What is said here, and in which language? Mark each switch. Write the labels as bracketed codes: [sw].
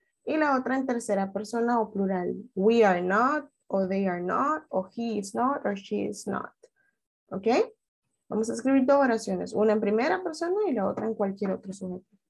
[es] Y la otra en tercera persona o plural. [en] We are not, o they are not, o he is not, or she is not. [es] ¿Ok? Vamos a escribir dos oraciones. Una en primera persona y la otra en cualquier otro sujeto.